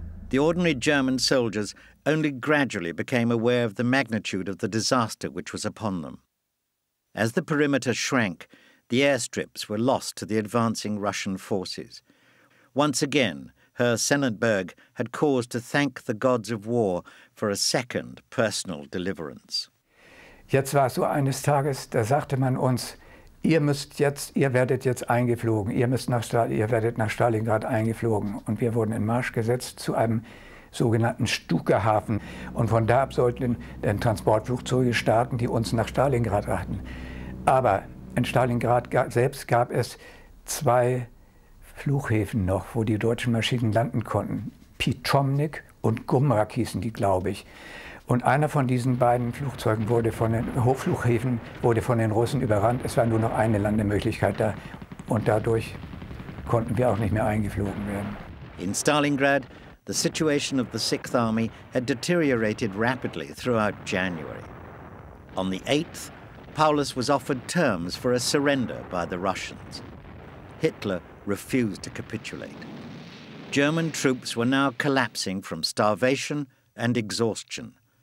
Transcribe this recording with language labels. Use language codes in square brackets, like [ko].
[en] The ordinary German soldiers only gradually became aware of the magnitude of the disaster which was upon them. As the perimeter shrank, the airstrips were lost to the advancing Russian forces. Once again, Herr Sennenberg had cause to thank the gods of war for a second personal deliverance. [de] Jetzt war es so eines Tages, da sagte man uns, ihr werdet jetzt eingeflogen, ihr werdet nach Stalingrad eingeflogen. Und wir wurden in Marsch gesetzt zu einem sogenannten Stukahafen. Und von da ab sollten dann Transportflugzeuge starten, die uns nach Stalingrad brachten. Aber in Stalingrad selbst gab es zwei Flughäfen noch, wo die deutschen Maschinen landen konnten. Pitomnik und Gumrak hießen die, glaube ich. Und einer von diesen beiden Flugzeugen wurde von den Russen überrannt. Es war nur noch eine Landemöglichkeit da. Und dadurch konnten wir auch nicht mehr eingeflogen werden. [en] In Stalingrad, the situation of the 6th Army had deteriorated rapidly throughout January. On the 8th, Paulus was offered terms for a surrender by the Russians. Hitler refused to capitulate. German troops were now collapsing from starvation and exhaustion.